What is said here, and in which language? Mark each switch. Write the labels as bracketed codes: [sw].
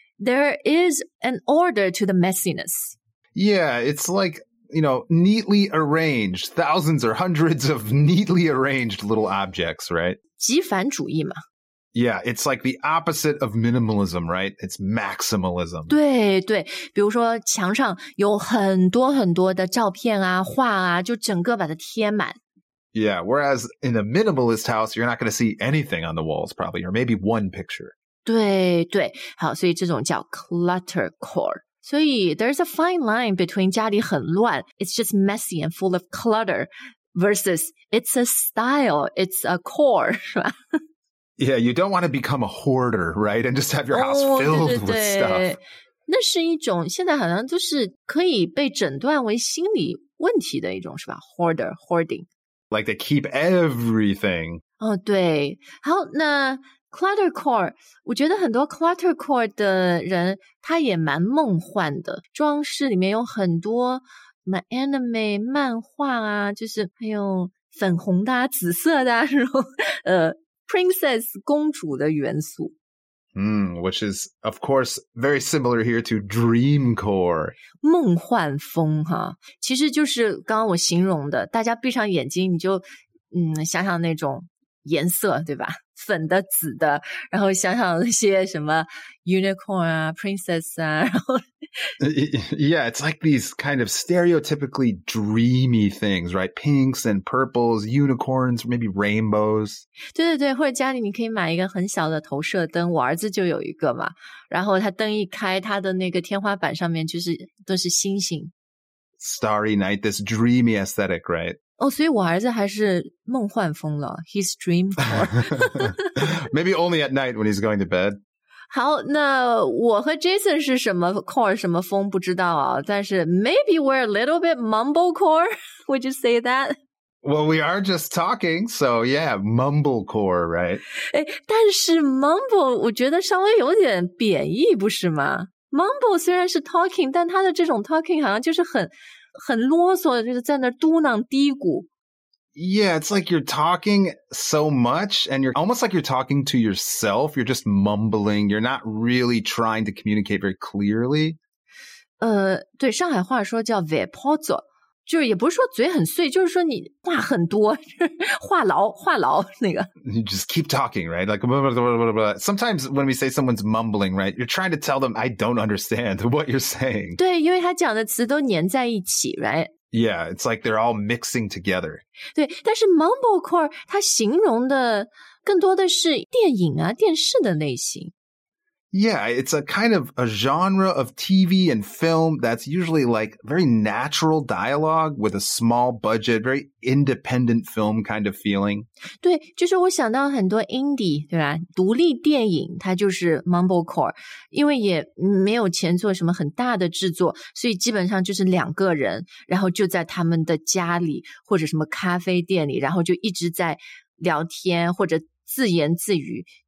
[en] There is an order to the messiness. Yeah, it's like, you know, neatly arranged, thousands or hundreds of neatly arranged little objects, right? [zh] 极繁主义嘛。 [en] Yeah, it's like the opposite of minimalism, right? It's maximalism. [zh] 对对，比如说墙上有很多很多的照片啊，画啊，就整个把它贴满。 [en] Yeah, whereas in a minimalist house, you're not going to see anything on the walls, probably, or maybe one picture. [zh] 对对，好，所以这种叫 clutter core. 所以 [en] there's a fine line between [zh] 家里很乱 [en] it's just messy and full of clutter, versus it's a style, it's a core, [zh] 是吧？ [en] Yeah, you don't want to become a hoarder, right? And just have your house filled [zh] 对对对 [en] with stuff. [zh] 那是一种现在好像就是可以被诊断为心理问题的一种是吧 ? [en] Hoarder, hoarding. Like they keep everything. [zh] 哦对。好那 clutter core, 我觉得很多 clutter core 的人他也蛮梦幻的。装饰里面有很多什么 anime, 漫画啊就是还有粉红的啊紫色的啊然后Princess, 公主的元素。 [en] Which is, of course, very similar here to dream core. [zh] 梦幻风哈，其实就是刚刚我形容的，大家闭上眼睛，你就想想那种颜色，对吧？粉的、紫的，然后想想那些什么 unicorn 啊、princess 啊，然后 [en] Yeah, it's like these kind of stereotypically dreamy things, right? Pinks and purples, unicorns, maybe rainbows. [zh] 对对对，或者家里你可以买一个很小的投射灯，我儿子就有一个嘛。然后他灯一开，他的那个天花板上面就是都是星星。 [en] Starry night, this dreamy aesthetic, right? [zh] 哦，所以我儿子还是梦幻风了。 [en] He's dreamed for. Maybe only at night when he's going to bed. [zh] 好，那我和 Jason 是什么 core 什么风不知道啊，但是 [en] maybe we're a little bit mumblecore, would you say that? Well, we are just talking, so yeah, mumblecore, right? [zh] 哎，但是 mumble 我觉得稍微有点贬义，不是吗？ Mumble 虽然是 talking, 但他的这种 talking 好像就是很啰嗦，就是在那嘟囔嘀咕。 [en] Yeah, it's like you're talking so much and you're almost like you're talking to yourself. You're just mumbling. You're not really trying to communicate very clearly. [zh] 对，上海话说叫 vapozo, 就是也不是说嘴很碎，就是说你话很多，话痨，话痨那个。 [en] You just keep talking, right? Like, blah, blah, blah, blah, blah. Sometimes when we say someone's mumbling, right, you're trying to tell them, I don't understand what you're saying. [zh] 对，因为他讲的词都粘在一起， [en] right? Yeah, it's like they're all mixing together. [zh] 对，但是 mumblecore 它形容的更多的是电影啊，电视的类型。 [en] Yeah, it's a kind of a genre of TV and film that's usually like very natural dialogue with a small budget, very independent film kind of feeling. [zh] 对，就是我想到很多 indie, 对吧？独立电影它就是 mumblecore, 因为也没有钱做什么很大的制作，所以基本上就是两个人，然后就在他们的家里或者什么咖啡店里，然后就一直在聊天或者自言自语。